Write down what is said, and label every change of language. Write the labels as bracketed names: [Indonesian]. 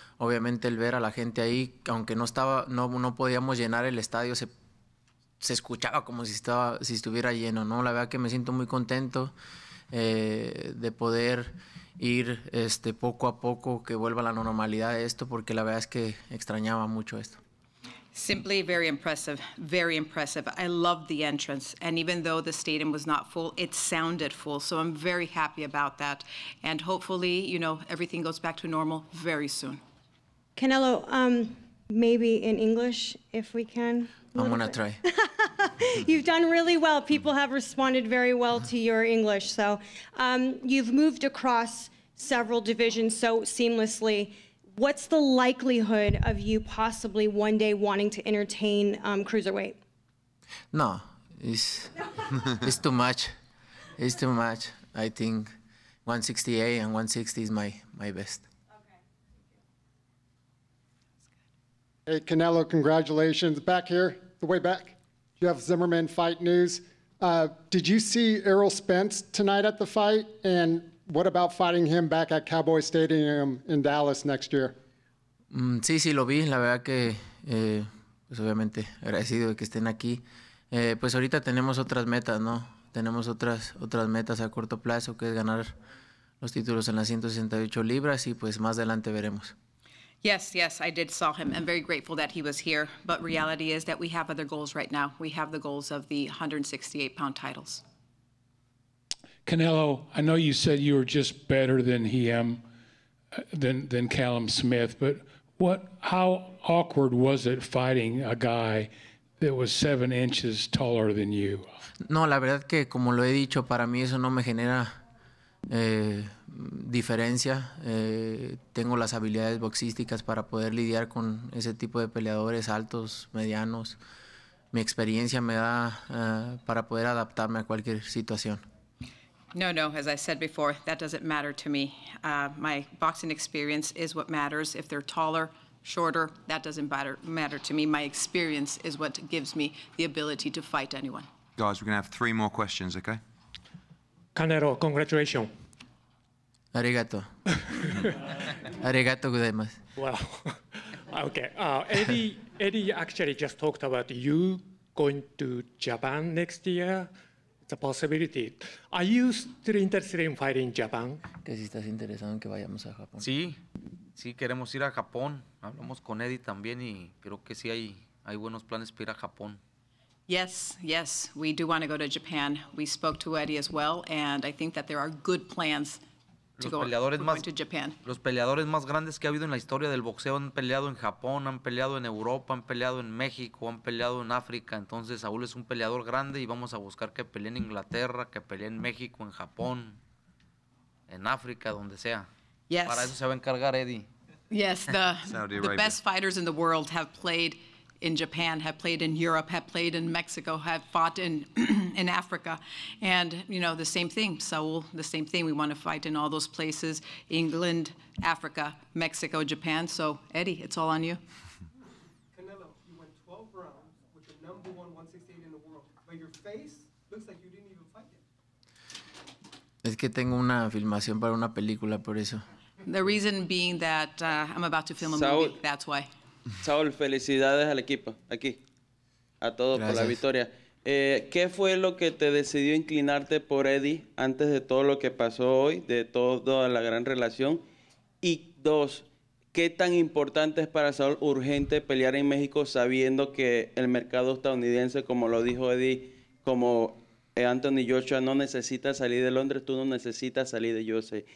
[Spanish] Obviamente el ver a la gente ahí, aunque no podíamos llenar el estadio, se escuchaba como si estuviera lleno, ¿no? La verdad que me siento muy contento de poder ir poco a poco, que vuelva a la normalidad esto, porque la verdad es que extrañaba mucho esto. [English] Simply very impressive, very impressive. I love the entrance, and even though the stadium was not full, it sounded full, so I'm very happy about that. And hopefully, you know, everything goes back to normal very soon. Canelo, maybe in English, if we can. I'm going to try. You've done really well. People have responded very well to your English. So you've moved across several divisions so seamlessly. What's the likelihood of you possibly one day wanting to entertain cruiserweight? No, it's too much. It's too much. I think 168 and 160 is my best. Hey, Canelo, congratulations. Back here, the way back. You have Zimmerman fight news. Did you see Errol Spence tonight at the fight? And what about fighting him back at Cowboy Stadium in Dallas next year? [Spanish] Sí, sí, lo vi. La verdad que, pues obviamente, agradecido de que estén aquí. Pues ahorita tenemos otras metas, ¿no? Tenemos otras metas a corto plazo, que es ganar los títulos en las 168 libras y pues más adelante veremos. [English] Yes, yes, I did saw him. I'm very grateful that he was here. But reality is that we have other goals right now. We have the goals of the 168-pound titles. Canelo, I know you said you were just better than Callum Callum Smith, but how awkward was it fighting a guy that was 7 inches taller than you? [Spanish] No, la verdad que, como lo he dicho, para mí eso no me genera diferencia. Tengo las habilidades boxísticas para poder lidiar con ese tipo de peleadores altos, medianos. Mi experiencia me da para poder adaptarme a cualquier situación. [English] No, no, as I said before, that doesn't matter to me. My boxing experience is what matters. If they're taller, shorter, that doesn't matter to me. My experience is what gives me the ability to fight anyone. Guys, we're going to have 3 more questions, okay? Canelo, congratulations. [Japanese] Arigato. Arigato gozaimasu. [English] Wow. Okay. Eddie actually just talked about you going to Japan next year. It's a possibility. Are you still interested in fighting Japan? [Spanish] Que si estás interesado en que vayamos a Japón. Sí. Sí, queremos ir a Japón. Hablamos con Eddie también y creo que sí hay buenos planes para ir a Japón. [English] Yes, yes, we do want to go to Japan. We spoke to Eddie as well, and I think that there are good plans to go to Japan. [Spanish] Los peleadores más grandes que ha habido en la historia del boxeo han peleado en Japón, han peleado en Europa, han peleado en México, han peleado en África. Entonces, Saúl es un peleador grande y vamos a buscar que pelee en Inglaterra, que pelee en México, en Japón, en África, donde sea. [English] Yes. [Spanish] Para eso se va a encargar Eddie. [English] Yes, the best fighters in the world have played in Japan, have played in Europe, have played in Mexico, have fought in in Africa. And, you know, the same thing, Saul, the same thing. We want to fight in all those places, England, Africa, Mexico, Japan. So, Eddie, it's all on you. Canelo, you went 12 rounds with the number one 168 in the world, but your face looks like you didn't even fight yet. Es que tengo una filmación para una película, por eso. The reason being that I'm about to film a movie, that's why. [Spanish] Saul, felicidades al equipo, aquí, a todos. Gracias. Por la victoria. ¿Qué fue lo que te decidió inclinarte por Eddie antes de todo lo que pasó hoy, de toda la gran relación? Y dos, ¿qué tan importante es para Saul urgente pelear en México sabiendo que el mercado estadounidense, como lo dijo Eddie, como Anthony Joshua no necesita salir de Londres, tú no necesitas salir de USA?